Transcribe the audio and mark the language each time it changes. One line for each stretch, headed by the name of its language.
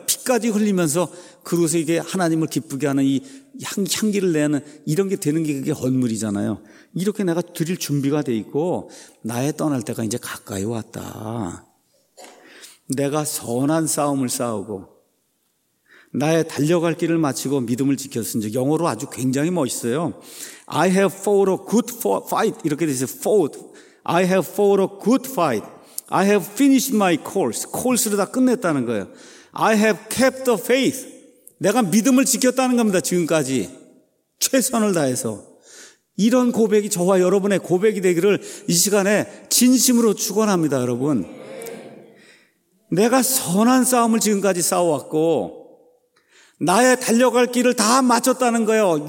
Korean: 피까지 흘리면서 그릇에 이게 하나님을 기쁘게 하는 이 향기를 내는 이런 게 되는 게 그게 헌물이잖아요. 이렇게 내가 드릴 준비가 돼 있고 나의 떠날 때가 이제 가까이 왔다. 내가 선한 싸움을 싸우고 나의 달려갈 길을 마치고 믿음을 지켰은 즉 영어로 아주 굉장히 멋있어요.
English: I have fought a good fight.
Korean: 이렇게 돼 있어요. Fought.
English: I have fought a good fight. I have finished my course.
Korean: course를 다 끝냈다는 거예요.
English: I have kept the faith.
Korean: 내가 믿음을 지켰다는 겁니다. 지금까지. 최선을 다해서. 이런 고백이 저와 여러분의 고백이 되기를 이 시간에 진심으로 축원합니다, 여러분. 내가 선한 싸움을 지금까지 싸워왔고 나의 달려갈 길을 다 마쳤다는 거예요.